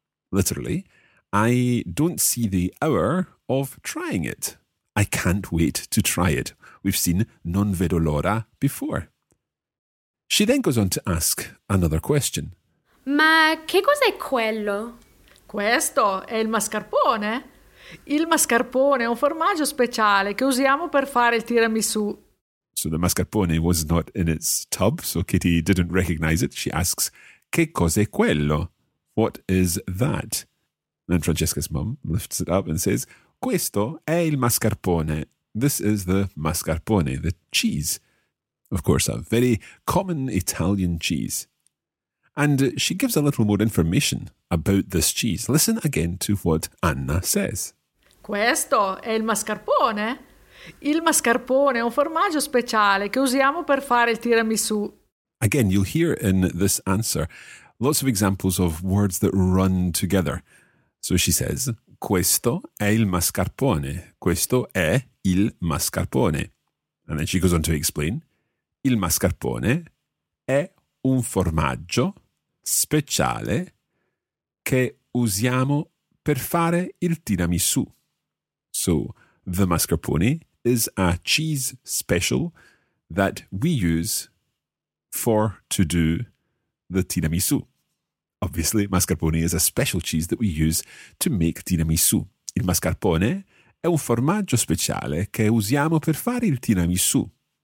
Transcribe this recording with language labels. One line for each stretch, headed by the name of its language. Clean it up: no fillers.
English: Literally, I don't see the hour of trying it. I can't wait to try it. We've seen
Italian: non vedo l'ora
English: before. She then goes on to ask another question.
Italian: Ma che cos'è quello? Questo è il mascarpone. Il mascarpone è un formaggio speciale che usiamo per fare il tiramisù.
English: So the mascarpone was not in its tub, so Katie didn't recognize it. She asks,
Italian: Che cos'è quello?
English: What is that? And Francesca's mom lifts it up and says,
Italian: Questo è il mascarpone.
English: This is the mascarpone, the cheese. Of course, a very common Italian cheese. And she gives a little more information about this cheese. Listen again to what Anna says.
Italian: Questo è il mascarpone. Il mascarpone è un formaggio speciale che usiamo per fare il tiramisù.
English: Again, you'll hear in this answer lots of examples of words that run together. So she says,
Italian: Questo è il mascarpone. Questo è il mascarpone.
English: And then she goes on to explain,
Italian: Il mascarpone è un formaggio speciale che usiamo per fare il tiramisù.
English: So, the mascarpone is a cheese special that we use for to do the tiramisù. Obviously, mascarpone is a special cheese that we use to make tiramisù.
Italian: Il mascarpone è un formaggio speciale che usiamo per fare il tiramisù.